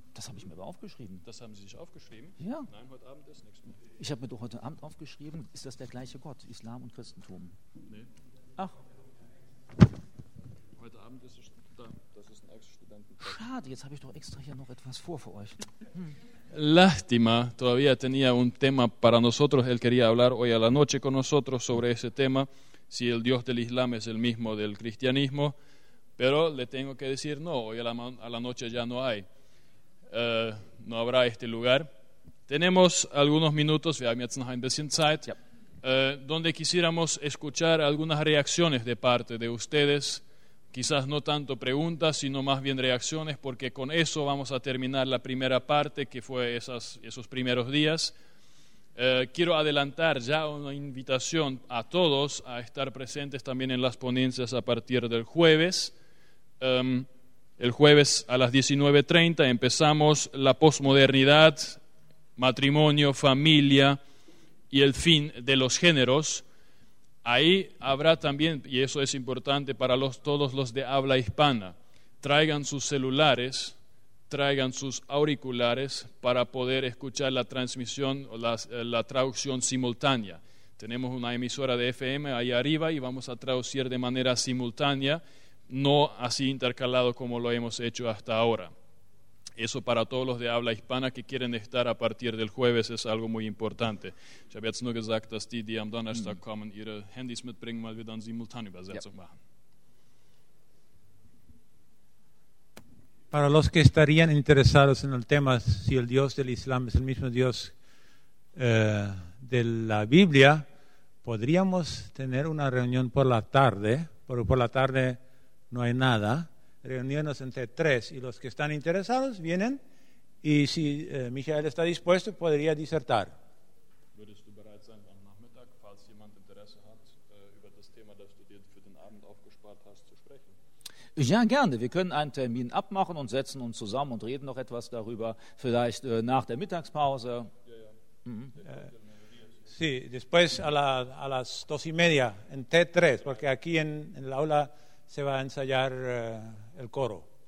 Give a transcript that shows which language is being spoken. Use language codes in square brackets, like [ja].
[de] Das habe ich mir aber aufgeschrieben. Das haben Sie sich aufgeschrieben? Ja. Nein, heute Abend ist nichts mehr. Ich habe mir doch heute Abend aufgeschrieben, ist das der gleiche Gott, Islam und Christentum? Nee. Ach. Heute Abend ist es da. Das ist ein Ex-Studententag. Schade, jetzt habe ich doch extra hier noch etwas vor euch. [es] Lástima, todavía tenía un tema para nosotros. Él quería hablar hoy a la noche con nosotros sobre ese tema, si el Dios del Islam es el mismo del cristianismo. Pero le tengo que decir no, hoy a la noche ya no hay. No habrá este lugar. Tenemos algunos minutos, [de] wir haben jetzt noch ein bisschen Zeit, ja. [es] Donde quisiéramos escuchar algunas reacciones de parte de ustedes, quizás no tanto preguntas, sino más bien reacciones, porque con eso vamos a terminar la primera parte, que fue esos primeros días. Quiero adelantar ya una invitación a todos a estar presentes también en las ponencias a partir del jueves. El jueves a las 19:30 empezamos la posmodernidad, matrimonio, familia y el fin de los géneros. Ahí habrá también, y eso es importante para todos los de habla hispana, traigan sus celulares, traigan sus auriculares para poder escuchar la transmisión o la traducción simultánea. Tenemos una emisora de FM ahí arriba y vamos a traducir de manera simultánea, no así intercalado como lo hemos hecho hasta ahora. Eso para todos los de habla hispana que quieren estar a partir del jueves es algo muy importante. [de] Ich habe jetzt nur gesagt, dass die, die am Donnerstag kommen, ihre Handys mitbringen, weil wir dann simultane Übersetzung machen. [es] Para los que estarían interesados en el tema, si el Dios del Islam es el mismo Dios de la Biblia, podríamos tener una reunión por la tarde, pero por la tarde no hay nada. Reunirnos entre tres y los que están interesados vienen y si Michael está dispuesto, podría disertar. [de] ¿Würdest du bereit sein am Nachmittag, falls jemand Interesse hat, über das Thema, das du dir für den Abend aufgespart hast, zu sprechen? Ja, gerne. Wir können einen Termin abmachen und setzen uns zusammen und reden noch etwas darüber, vielleicht nach der Mittagspause. [es] Sí, después a las dos y media, en T3, porque aquí en el aula se va a ensayar el coro.